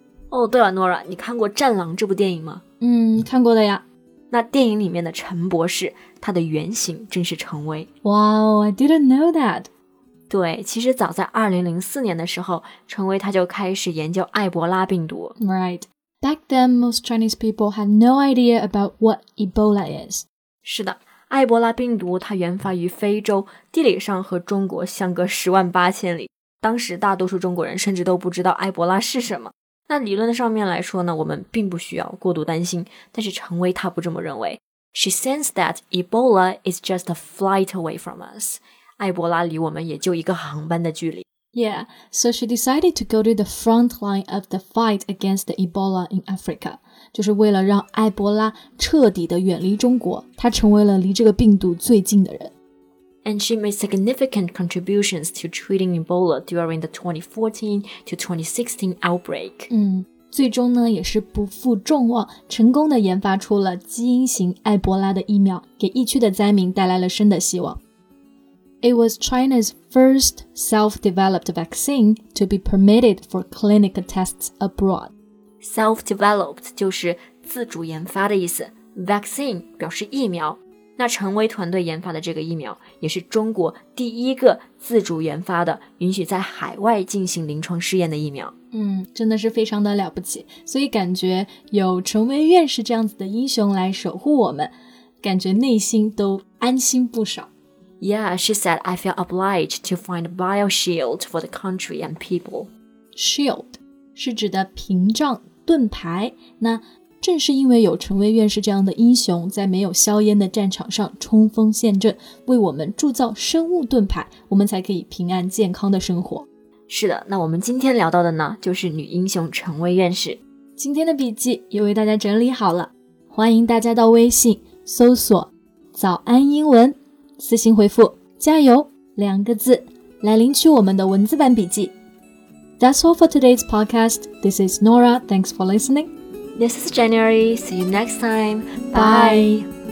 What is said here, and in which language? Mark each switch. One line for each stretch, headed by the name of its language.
Chinese: 哦，对了，诺拉，你看过《战狼》这部电影吗？看过的呀。那电影里面的陈博士，他的原型正是陈威。
English: Wow, I didn't know that.
Chinese: 对，其实早在2004年的时候，陈威他就开始研究埃博拉病毒。
English: Right. Back then, most Chinese people had no idea about what Ebola is.
Chinese: 是的，埃博拉病毒它源发于非洲，地理上和中国相隔18,000里。当时大多数中国人甚至都不知道埃博拉是什么。那理论上面来说呢，我们并不需要过度担心，但是陈威他不这么认为。
English: She says that Ebola is just a flight away from us.
Chinese: 埃博拉离我们也就一个航班的距离。
English: Yeah, so she decided to go to the front line of the fight against the Ebola in Africa.
Chinese: 就是为了让埃博拉彻底的远离中国，她成为了离这个病毒最近的人。
English: And she made significant contributions to treating Ebola during the 2014 to 2016 outbreak.
Chinese: 最终呢，也是不负众望，成功的研发出了基因型埃博拉的疫苗，给疫区的灾民带来了新的希望。
English: It was China's first self-developed vaccine to be permitted for clinical tests abroad.
Chinese: Self-developed 就是自主研发的意思， vaccine 表示疫苗。那陈威团队研发的这个疫苗也是中国第一个自主研发的允许在海外进行临床试验的疫苗。真的是非常的了不起。所以感觉有陈威院士这样子的英雄来守护我们，感觉内心都安心不少。
English: Yeah, she said, I feel obliged to find a bio shield for the country and people.
Chinese: Shield 是指的屏障、盾牌。那正是因为有陈威院士这样的英雄，在没有硝烟的战场上冲锋陷阵，为我们铸造生物盾牌，我们才可以平安健康的生活。是的，那我们今天聊到的呢，就是女英雄陈威院士。今天的笔记也为大家整理好了，欢迎大家到微信搜索早安英文，私信回复加油2个字来领取我们的文字版笔记。
English: That's all for today's podcast. This is Nora. Thanks for listening. This is January. See you next time. Bye.